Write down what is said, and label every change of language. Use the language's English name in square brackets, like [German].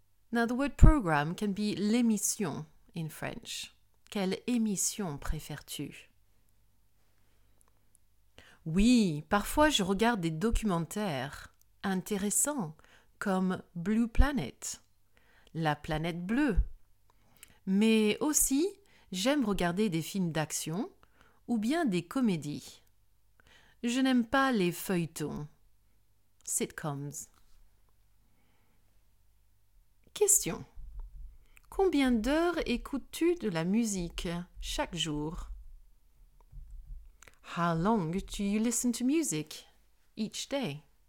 [English] Now, the word program can be l'émission in French. [French] Quelle émission préfères-tu? Oui, parfois je regarde des documentaires intéressants comme Blue Planet, la planète bleue. Mais aussi, j'aime regarder des films d'action ou bien des comédies. Je n'aime pas les feuilletons, sitcoms. Question. Combien d'heures écoutes-tu de la musique chaque jour? [English] How long do you listen to music each day?